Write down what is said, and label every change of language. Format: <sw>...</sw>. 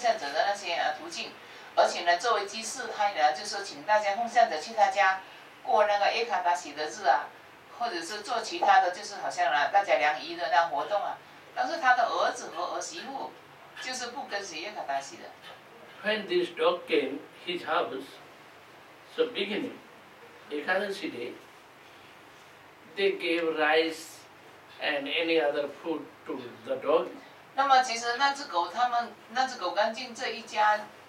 <zh>那么呢，在这一个奉献者的家里，就是等于是父母亲是很好的奉献者，严格的遵守耶卡达西，念诵跟随那奉献者的那些途径。而且呢，作为居士，他呢就是请大家奉献者去他家过那个耶卡达西的日啊，或者是做其他的，就是好像呢大家良谊的那活动啊。但是他的儿子和儿媳妇就是不跟随耶卡达西的。</zh> <en>When this dog came his house, so beginning, Ekadasi day, they gave rice and any other food to the dog.</en> <zh>那么其实那只狗刚进这一家。</zh>